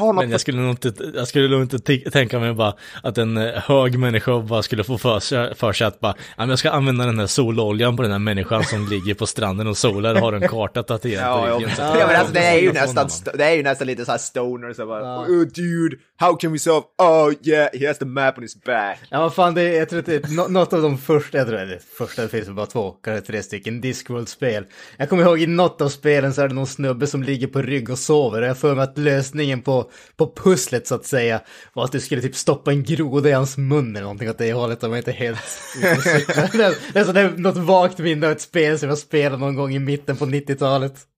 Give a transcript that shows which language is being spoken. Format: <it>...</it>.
<sv>Jag skulle nog inte tänka mig bara att en hög människa bara skulle få för sig att bara, jag ska använda den här sololjan på den här människan som ligger på stranden och solar och har en karta tatuerad. Det är ju nästan lite så här stoner som bara, ja.</sv> <en>Oh, dude, how can we solve? Oh yeah, he has the map on his back.</en> <sv>Ja, vad fan, jag tror att det är något av de första, det finns bara två, kanske tre stycken Discworld-spel. Jag kommer ihåg i något av spelen så är det någon snubbe som ligger på rygg och sover, och jag får med att lösningen på pusslet så att säga var att du skulle typ stoppa en groda i hans mun eller någonting åt det hållet, om jag inte helt det är något vagt minne av ett spel som jag spelade någon gång i mitten på 90-talet.</sv>